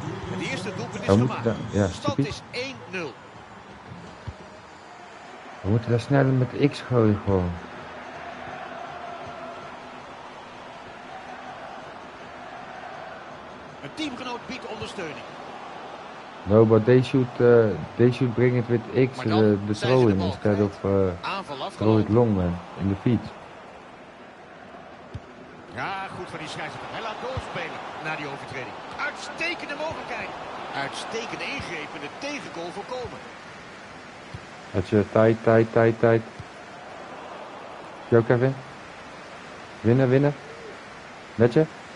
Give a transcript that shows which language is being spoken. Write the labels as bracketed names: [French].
[Dutch] Het eerste doelpunt is gemaakt. Ja, stand is 1-0. We moeten daar sneller met X gooien, gewoon. Een teamgenoot biedt ondersteuning. [English] No, but they should bring it with X, de throw in, instead of throw it long, man, in the feet. [Dutch] Ja, goed van die scheidsrechter. Hij laat doorspelen na die overtreding. Uitstekende mogelijkheid. Uitstekende ingreep en de tegengoal voorkomen. Het is tijd. Zie je ook even? Winnen. Met je?